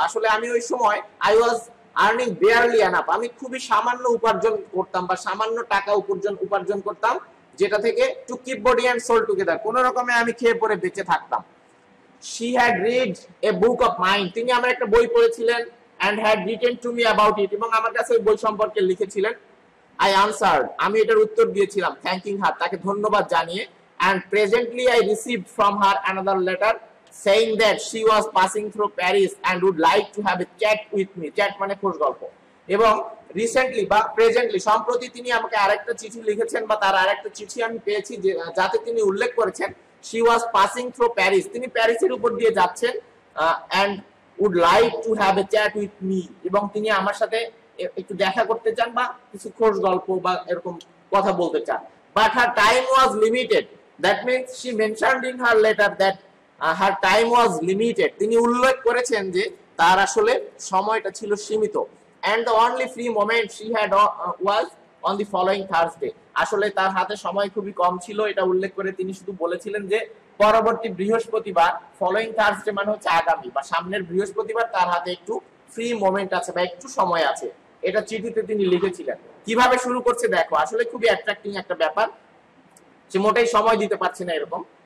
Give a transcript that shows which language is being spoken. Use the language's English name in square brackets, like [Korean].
[Bangla] আসলে আমি ওই সময় [English] I was earning barely enough, [Bangla] আমি খুবই সামান্য উপার্জন করতাম বা সামান্য টাকা উপার্জন করতাম, যেটা থেকে [English] to keep body and soul together, [Bangla] কোন রকমে আমি খেয়ে পরে বেঁচে থাকতাম। [English] she had read a book of mind, [Bangla] তিনি আমার একটা বই পড়েছিলেন। [English] and had written to me about it, [Bangla] এবং আমার কাছে ওই বই সম্পর্কে লিখেছিলেন। [English] I answered, [Bangla] আমি এটার উত্তর দিয়েছিলাম [English] thanking her, [Bangla] তাকে ধন্যবাদ জানিয়ে। [English] And presently I received from her another letter saying that she was passing through Paris and would like to have a chat with me. [Bangla] Chat মানে খোশ গল্প। এবং recently বা presently সম্প্রতি তিনি আমাকে আরেকটা চিঠি লিখেছেন বা তার আরেকটা চিঠি আমি পেয়েছি, যাতে তিনি উল্লেখ করেছেন [English] she was passing through Paris, [Bangla] তিনি প্যারিসের উপর দিয়ে যাচ্ছেন, [English] and would like to have a chat with me, [Bangla] এবং তিনি আমার সাথে একটু দেখা করতে চান বা কিছু খোশ গল্প বা এরকম কথা বলতে চান। [English] But her time was limited. That means she mentioned in her letter that her time was limited. [Bangla] তিনি উল্লেখ করেছেন যে তার আসলে সময়টা ছিল সীমিত। [English] And the only free moment she had was on the following Thursday. [Bangla] আসলে তার হাতে সময় খুবই কম ছিল, এটা উল্লেখ করে তিনি শুধু বলেছিলেন যে পরবর্তী বৃহস্পতিবার, ফলোয়িং থার্সডে মানে হচ্ছে আগামী বা সামনের বৃহস্পতিবার তার হাতে একটু ফ্রি মোমেন্ট আছে বা একটু সময় আছে, এটা চিঠিতে তিনি লিখেছিলেন। কিভাবে শুরু করছে দেখো, আসলে খুবই অ্যাট্রাক্টিং একটা ব্যাপার, সে মোটেই সময় দিতে পারছে না এরকম।